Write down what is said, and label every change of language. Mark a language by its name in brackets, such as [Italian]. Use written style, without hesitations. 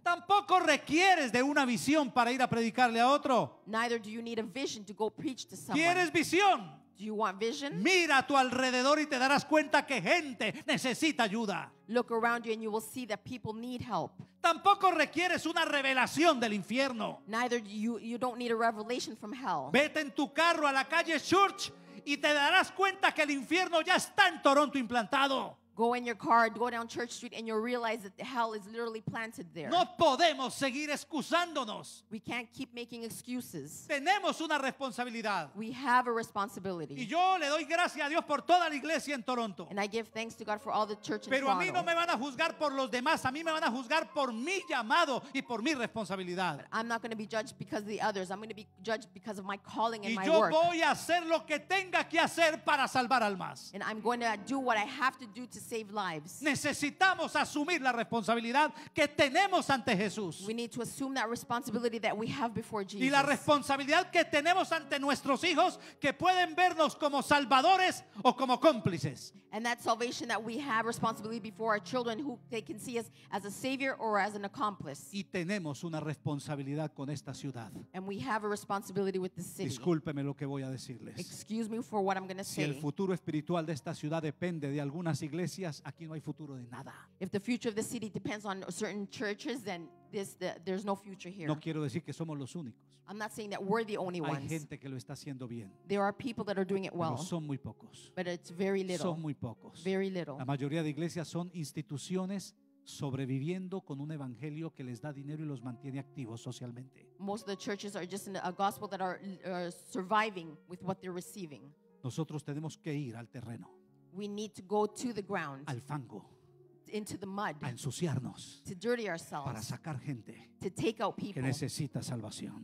[Spanish] Tampoco requieres de una visión para ir a predicarle a otro. [English] Neither do you need a vision to go preach to someone. [Spanish] ¿Quieres visión? [English] Do you want vision? [Spanish] Mira a tu alrededor y te darás cuenta que gente necesita ayuda. [English] Look around you and you will see that people need help. [Spanish] Tampoco requieres una revelación del infierno. [English] Neither do you don't need a revelation from hell. [Spanish] Vete en tu carro a la calle Church y te darás cuenta que el infierno ya está en Toronto implantado. [English] Go in your car, go down Church Street and you'll realize that the hell is literally planted there. [Spanish] No podemos seguir excusándonos. [English] We can't keep making excuses. [Spanish] Tenemos una responsabilidad. [English] We have a responsibility. [Spanish] Y yo le doy gracias a Dios por toda la iglesia en Toronto. [English] And I give thanks to God for all the church in [Spanish] Pero [English] Toronto. [Spanish] Pero a mí no me van a juzgar por los demás, a mí me van a juzgar por mi llamado y por mi responsabilidad. [English] But I'm not going to be judged because of the others. I'm going to be judged because of my calling and [Spanish] y [English] my work. [Spanish] Y yo voy a hacer lo que tenga que hacer para salvar almas. [English] And I'm going to do what I have to do to save lives. [Spanish] Necesitamos asumir la responsabilidad que tenemos ante Jesús. [English] We need to assume that responsibility that we have before Jesus. [Spanish] Y la responsabilidad que tenemos ante nuestros hijos que pueden vernos como salvadores o como cómplices. [English] And that salvation that we have responsibility before our children, who they can see us as a savior or as an accomplice. [Spanish] Y tenemos una responsabilidad con esta ciudad. [English] And we have a responsibility with the city. [Spanish] Discúlpeme lo que voy a decirles. [English] Excuse me for what I'm going to say. [Spanish] Si el futuro espiritual de esta ciudad depende de algunas iglesias, aquí no hay futuro de nada. [English] If the future of the city depends on certain churches, then there's no future here. [Spanish] No quiero decir que somos los únicos. [English] I'm not saying that we're the only ones. [Spanish] Hay gente que lo está haciendo bien. [English] There are people that are doing it well. [Spanish] Pero son muy pocos. [English] But it's very little. [Spanish] Son muy pocos. [English] Very little. [Spanish] La mayoría de iglesias son instituciones sobreviviendo con un evangelio que les da dinero y los mantiene activos socialmente. [English] Most of the churches are just in a gospel that are surviving with what they're receiving. [Spanish] Nosotros tenemos que ir al terreno. [English] We need to go to the ground. [Spanish] Al fango. [English] Into the mud. [Spanish] A ensuciarnos. [English] To dirty ourselves. [Spanish] Para sacar gente. [English] To take out people. [Spanish] Que necesita salvación.